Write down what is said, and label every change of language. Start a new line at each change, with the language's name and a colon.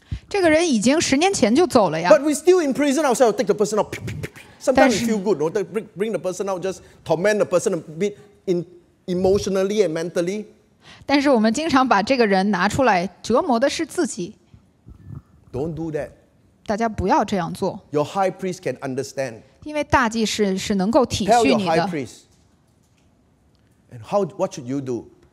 Chinese: 这个人已经十年前就走了呀。
English: But we still imprison ourselves, take the person out. Sometimes we feel good, don't bring the person out, just torment the person a bit in. Emotionally and mentally,
Chinese: 但是我们经常把这个人拿出来折磨的是自己。
English: Don't do that.
Chinese: 大家不要这样做。
English: Your high priest can understand.
Chinese: 因为大祭司是能够体恤你的。
English: Tell your high priest. And how? What should you do?